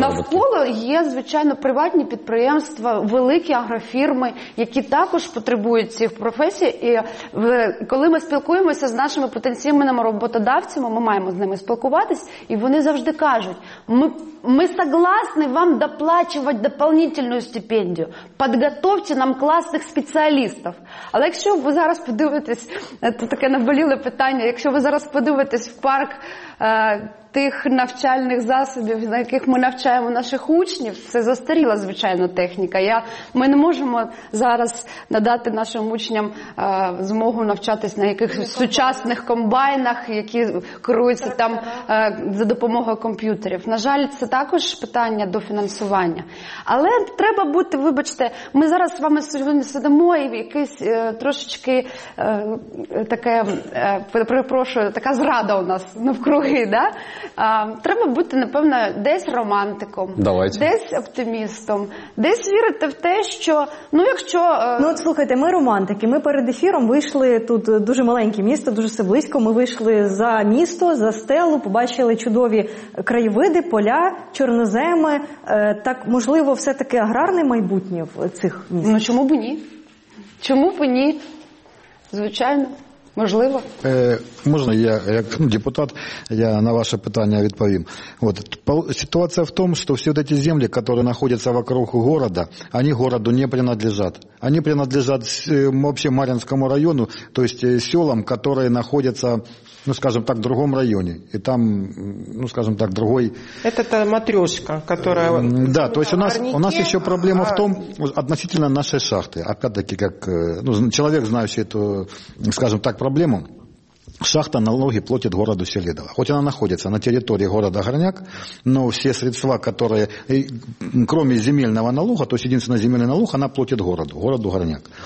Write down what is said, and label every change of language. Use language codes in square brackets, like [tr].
[uk] Навколо є, звичайно, приватні підприємства, великі агрофірми, які також потребують цих професій. І коли ми спілкуємося з нашими потенційними роботодавцями, ми маємо з ними спілкуватись, і вони завжди кажуть, ми [ru] согласны вам доплачивать дополнительную стипендию. Подготовьте нам классных специалистов. [uk] Але якщо ви зараз подивитесь, це таке наболіле питання, якщо ви зараз подивитесь в парк тих навчальних засобів, на яких ми навчаємо наших учнів, це застаріла, звичайно, техніка. Ми не можемо зараз надати нашим учням змогу навчатись на якихось сучасних комбайнах, які керуються там за допомогою комп'ютерів. На жаль, це також питання до фінансування. Але треба бути, вибачте, ми зараз з вами сьогодні сидимо і якийсь трошечки таке, перепрошую, така зрада у нас навкруги, да? Треба бути, напевно, десь романтиком, давайте, десь оптимістом, десь вірити в те, що, ну, якщо... Ну, от, слухайте, ми романтики, ми перед ефіром вийшли, тут дуже маленьке місто, дуже все близько, ми вийшли за місто, за стелу, побачили чудові краєвиди, поля, чорноземи, так, можливо, все-таки аграрне майбутнє в цих містах? Ну, чому б ні? Звичайно. Можливо? Можна, я як депутат, я на ваше питання відповім. От, ситуація в тому, що всі ці землі, які знаходяться вокруг міста, вони місту не принадлежать. Вони принадлежать взагалі Мар'їнському району, тобто селам, які знаходяться, ну, [ru] скажем так, в другом районе. И там, ну, скажем так, другой... Это та матрешка, которая... Да, то есть у нас еще проблема в том, относительно нашей шахты. Опять-таки, как ну, человек, знающий эту, скажем так, проблему, шахта налоги платит городу Селидово. Хоть она находится на территории города Горняк, но все средства, которые, кроме земельного налога, то есть единственный земельный налог, она платит городу Горняк.